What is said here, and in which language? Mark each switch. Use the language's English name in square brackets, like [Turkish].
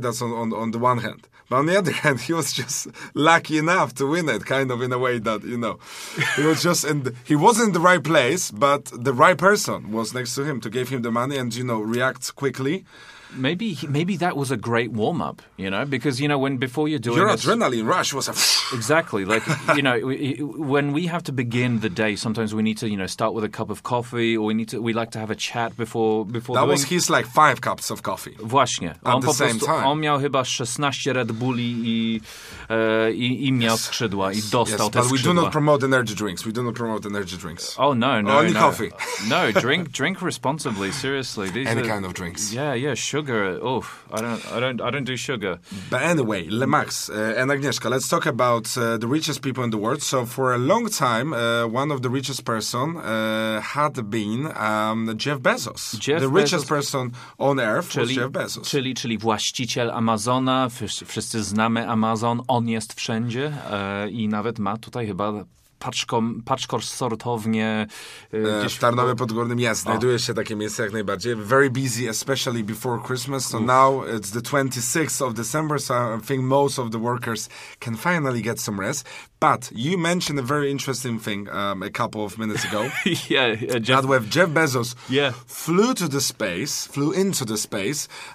[English] That's on the one hand. But on the other hand, he was just lucky enough to win it, kind of in a way that, you know, he was just in he wasn't in the right place, but the right person was next to him to give him the money and, you know, react quickly. Maybe that was a great warm up, you know, because, you know, when before you're doing your adrenaline rush was a exactly like, you know, when we have to begin the day, sometimes we need to, you know, start with a cup of coffee or we like to have a chat before that doing. Was his like 5 cups of coffee. [Polish] Właśnie. [English] At the same time. [Polish] On miał chyba 16 Red Bulli i miał skrzydła i dostał te skrzydła. [English] But we do not promote energy drinks. We do not promote energy drinks. Oh no. Only coffee. No, drink responsibly, seriously. These any kind of drinks. Yeah, sure. Sugar, oof, I don't do sugar. But anyway, Le Max and Agnieszka, let's talk about the richest people in the world. So for a long time, one of the richest person had been Jeff Bezos. Richest person on earth was Jeff Bezos. [Polish] Czyli właściciel Amazona, wszyscy znamy Amazon, on jest wszędzie i nawet ma tutaj chyba... paczkor sortownie. W Tarnowie Podgórnym jest. Znajduje się takie miejsce jak najbardziej. [English] Very busy, especially before Christmas. So now it's the 26th of December, so I think most of the workers can finally get some rest. But you mentioned a very interesting thing a couple of minutes ago. Jeff Bezos flew to the space, flew into the space.